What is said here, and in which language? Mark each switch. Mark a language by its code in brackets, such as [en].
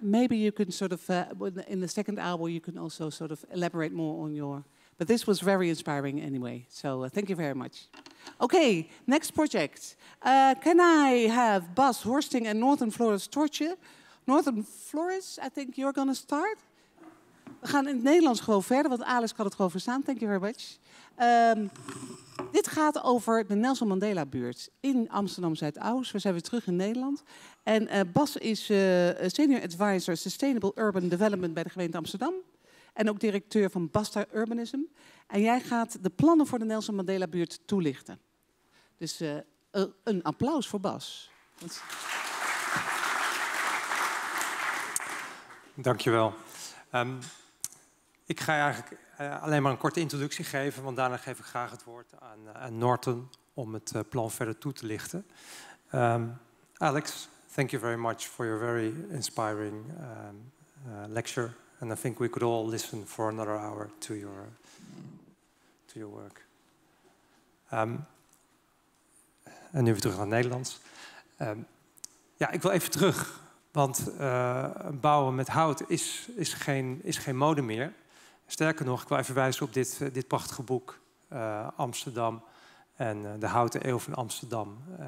[en] Maybe you can sort of in the second hour you can also sort of elaborate more on your. But this was very inspiring anyway. So thank you very much. Okay, next project. Can I have Bas Horsting and Northern Floris Tortje? Northern Floris, I think you're going to start. [nl] We gaan in het Nederlands gewoon verder, want Alice kan het gewoon verstaan. [en] Thank you very much. [nl] Dit gaat over de Nelson Mandela buurt in Amsterdam-Zuidoost. We zijn weer terug in Nederland. En Bas is Senior Advisor Sustainable Urban Development bij de gemeente Amsterdam. En ook directeur van Basta Urbanism. En jij gaat de plannen voor de Nelson Mandela buurt toelichten. Dus een applaus voor Bas. Dankjewel. Ik ga eigenlijk alleen maar een korte introductie geven, want daarna geef ik graag het woord aan Norton om het plan verder toe te lichten. [en] Alex, thank you very much for your very inspiring lecture. And I think we could all listen for another hour to your work. [nl] En nu weer terug naar het Nederlands. Ik wil even terug. Want bouwen met hout is geen mode meer. Sterker nog, ik wil even wijzen op dit prachtige boek. Amsterdam en de houten eeuw van Amsterdam.